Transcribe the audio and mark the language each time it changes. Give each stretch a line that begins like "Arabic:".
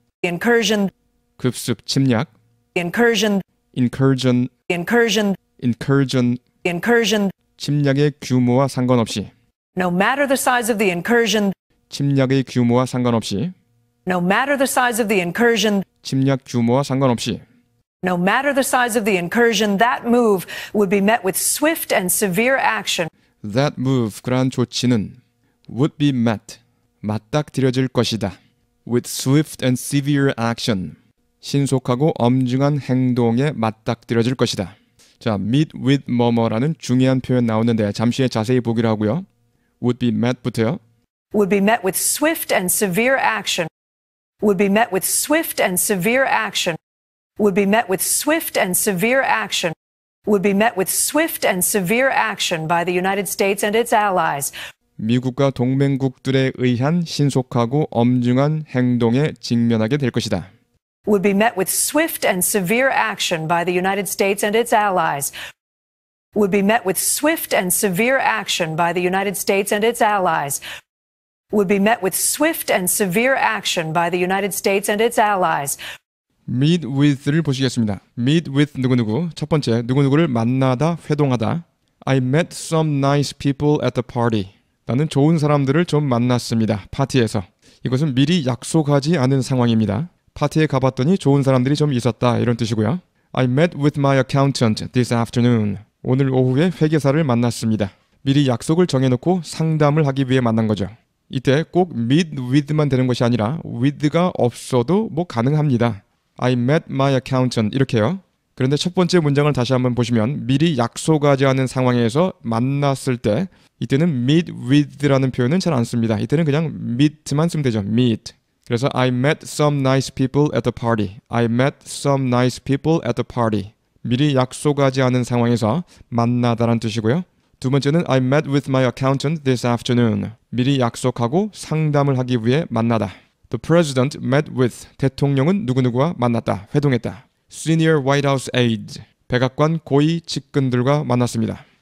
English: incursion
Korean: 급습 침략
English: incursion incursion incursion incursion incursion
Korean: 침략의 규모와 상관없이
English: no matter the size of the incursion
Korean: 침략의 규모와 상관없이
English: no matter the size of the incursion
Korean: 침략 규모와 상관없이
English: no matter the size of the incursion that move would be met with swift and severe action that move
Korean: 그러한 조치는
English: would be met
Korean: 맞닥뜨려질 것이다
English: With swift and severe action.
Korean: 신속하고 엄중한 행동에 맞닥뜨려질 것이다. 자, meet with 뭐뭐라는 중요한 표현 나오는데 잠시 후에 자세히 보기로 하고요.
English: Would be met
Korean: 부터요.
English: Would be met with swift and severe action. Would be met with swift and severe action. Would be met with swift and severe action. Would be met with swift and severe action by the United States and its allies.
Korean: 미국과 동맹국들에 의한 신속하고 엄중한 행동에 직면하게 될 것이다.
English: Would be met with swift and severe action by the United States and its allies. Would be met with swift and severe action by the United States and its allies. Would be met with swift and severe action by the United States and its allies.
Korean: Meet with를 보시겠습니다. Meet with 누구누구. 첫 번째, 누구누구를 만나다, 회동하다.
English: I met some nice people at the party.
Korean: 나는 좋은 사람들을 좀 만났습니다. 파티에서. 이것은 미리 약속하지 않은 상황입니다. 파티에 가봤더니 좋은 사람들이 좀 있었다 이런 뜻이고요.
English: I met with my accountant this afternoon.
Korean: 오늘 오후에 회계사를 만났습니다. 미리 약속을 정해놓고 상담을 하기 위해 만난 거죠. 이때 꼭 meet with만 되는 것이 아니라 with가 없어도 뭐 가능합니다.
English: I met my accountant
Korean: 이렇게요. 그런데 첫 번째 문장을 다시 한번 보시면 미리 약속하지 않은 상황에서 만났을 때 이때는 meet with라는 표현은 잘 안 씁니다. 이때는 그냥 meet만 쓰면 되죠. meet. 그래서
English: I met some nice people at the party. I met some nice people at the party.
Korean: 미리 약속하지 않은 상황에서 만나다란 뜻이고요. 두 번째는
English: I met with my accountant this afternoon.
Korean: 미리 약속하고 상담을 하기 위해 만나다.
English: The president met with
Korean: 대통령은 누구누구와 만났다. 회동했다.
English: Senior White House aides
Korean: 백악관 고위 측근들과 만났습니다.